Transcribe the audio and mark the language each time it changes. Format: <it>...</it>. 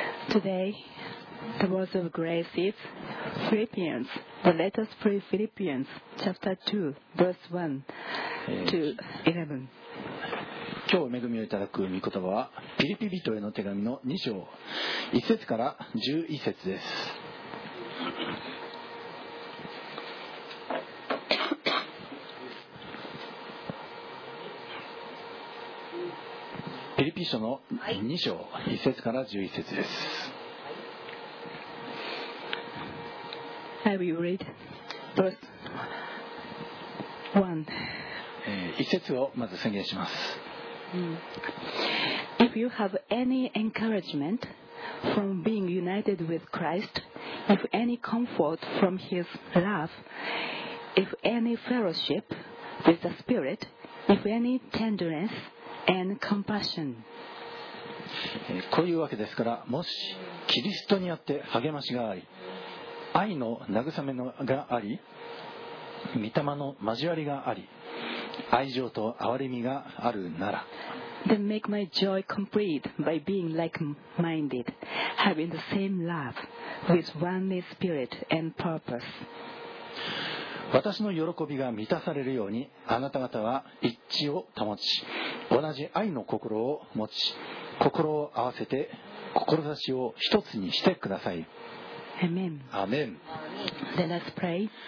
<en>Today, the words of grace is Philippians, the letter to Philippians, chapter 2, verse 1 to 11.</en> <ja>今日恵みをいただく御言葉はピリピ人への手紙の2章1節から11節です。ピリピ書の2章1節から11節です。</ja> <en>I will read verse 1.</en> <ja>1節をまず宣言します。</ja> <en>If you have any encouragement from being united with Christ, if any comfort from His love, if any fellowship with the Spirit, if any tenderness and compassion.</en> <ja>こういうわけですから、もしキリストにあって励ましがあり、愛の慰めがあり、御霊の交わりがあり、愛情と憐れみがあるなら、</ja> <en>Then make my joy complete by being like-minded, having the same love, with one spirit and purpose.</en> <ja>私の喜びが満たされるように、あなた方は一致を保ち、同じ愛の心を持ち、心を合わせて志を一つにしてください。</ja> <en>Amen. Amen. Then let's pray.</en>